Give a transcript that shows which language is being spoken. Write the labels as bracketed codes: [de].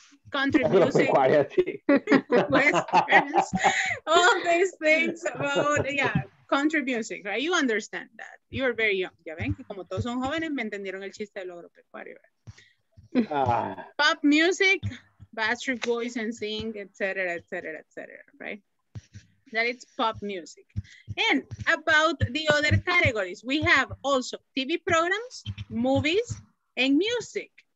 [en] Country music, westerns, all these things about, country music, right? You understand that. You are very young. [es] Ya ven que como todos son jóvenes, me entendieron el chiste del agropecuario. [en] Pop music, Backstreet Boys and Sing, etc., right? That it's pop music. And about the other categories, we have also TV programs, movies, and music.